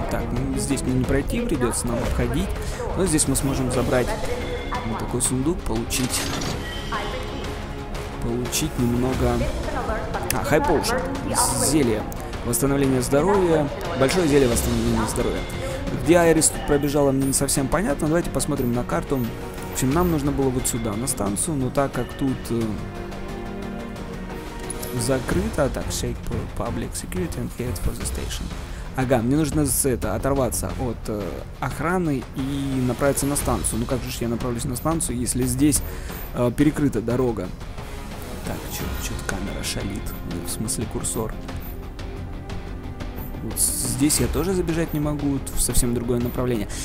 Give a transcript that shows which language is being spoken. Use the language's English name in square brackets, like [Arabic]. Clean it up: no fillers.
[Russian] Так, ну, здесь мне не пройти, придется нам обходить. Но здесь мы сможем забрать вот такой сундук, получить немного... А, High Potion, зелье. Восстановление здоровья. Большое зелье восстановления здоровья. Где Айрис тут пробежала, мне не совсем понятно. Давайте посмотрим на карту. В общем, нам нужно было вот сюда, на станцию. Но так как тут закрыто. Так, [English] shake public security and head for the station. [Russian] Ага, мне нужно оторваться от охраны и направиться на станцию. Ну как же я направлюсь на станцию, если здесь перекрыта дорога? Так, чё-то камера шалит. В смысле курсор. Вот здесь я тоже забежать не могу, в совсем другое направление.